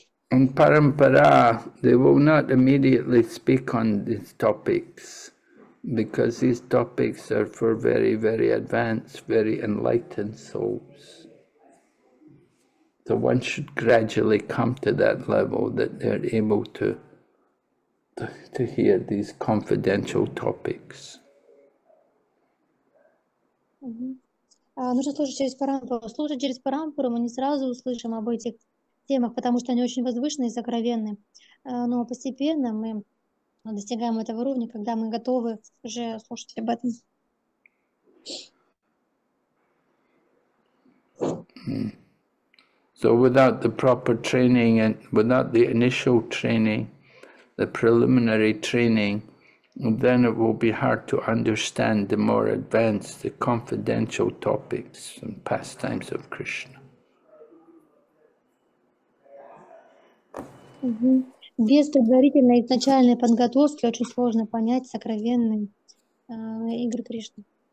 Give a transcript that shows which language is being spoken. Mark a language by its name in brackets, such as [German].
[English] In parampara, they will not immediately speak on these topics because these topics are for very, very advanced, very enlightened souls. So one should gradually come to that level that they're able to hear these confidential topics. [Russian] Нужно слушать через парампуру. Слушать через парампуру мы не сразу услышим об этих темах, потому что они очень возвышенные и сокровенные. Но постепенно мы достигаем этого уровня, когда мы готовы уже слушать об этом. [English] So without the proper training and without the initial training, the preliminary training, then it will be hard to understand the more advanced, the confidential topics and pastimes of Krishna. [Russian] Без предварительной изначальной подготовки очень сложно понять сокровенные игры Кришны.